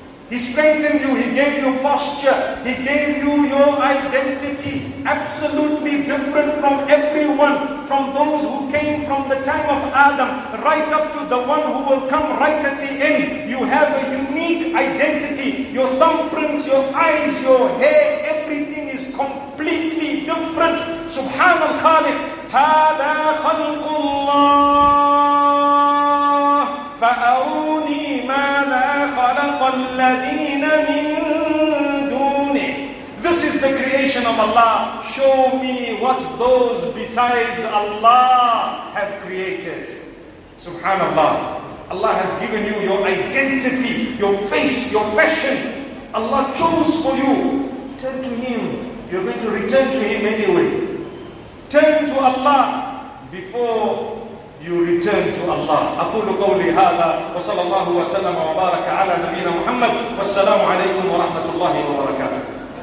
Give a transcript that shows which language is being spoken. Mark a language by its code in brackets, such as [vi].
[en] He strengthened you, He gave you posture, He gave you your identity, absolutely different from everyone, from those who came from the time of Adam, right up to the one who will come right at the end. You have a unique identity, your thumbprint, your eyes, your hair, everything is completely different. [ar] Subhan al-Khaliq, هذا خلق الله فأروني ماذا خلق الذين من دونه. [en] This is the creation of Allah. Show me what those besides Allah have created. Subhanallah. Allah has given you your identity, your face, your fashion. Allah chose for you. Turn to Him. You're going to return to Him anyway. Turn to Allah before you return to Allah. [ar] أقول قولي هذا وصلى الله وسلم وبارك على نبينا محمد والسلام عليكم ورحمة الله وبركاته.